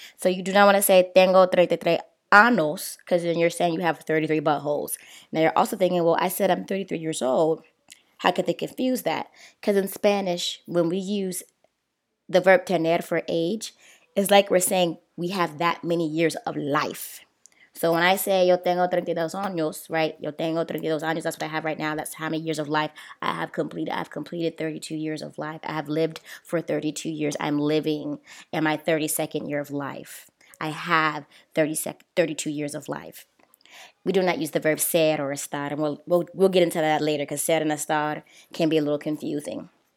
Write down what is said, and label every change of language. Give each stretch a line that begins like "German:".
English: So you do not want to say tengo 33 años, because then you're saying you have 33 buttholes. Now you're also thinking, well, I said I'm 33 years old. How could they confuse that? Because in Spanish, when we use the verb tener for age, it's like we're saying we have that many years of life. So when I say yo tengo 32 años, right?
Spanish: Yo tengo 32 años.
English: That's what I have right now. That's how many years of life I have completed. I've completed 32 years of life. I have lived for 32 years. I'm living in my 32nd year of life. I have 32 years of life. We do not use the verb ser or estar, and we'll get into that later because ser and estar can be a little confusing.